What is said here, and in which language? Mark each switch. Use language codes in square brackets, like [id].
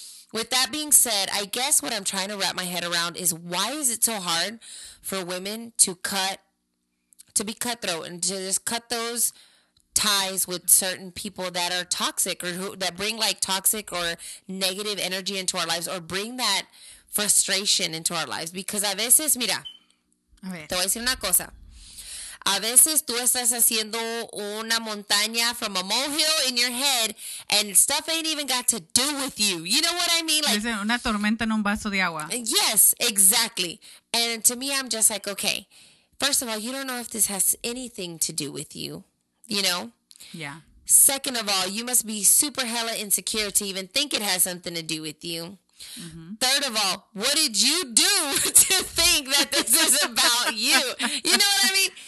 [en] with that being said, I guess what I'm trying to wrap my head around is why is it so hard for women to be cutthroat and to just cut those ties with certain people that are toxic or that bring like toxic or negative energy into our lives or bring that frustration into our lives? Because [es] a veces, mira, te voy a decir una cosa. A veces tú estás haciendo una montaña [en] from a molehill in your head and stuff ain't even got to do with you. You know what I mean? Like [es] una tormenta en un vaso de agua. [en] Yes, exactly. And to me, I'm just like, okay, first of all, you don't know if this has anything to do with you, you know? Yeah. Second of all, you must be super hella insecure to even think it has something to do with you. Mm-hmm. Third of all, what did you do to think that this is about you? You know what I mean?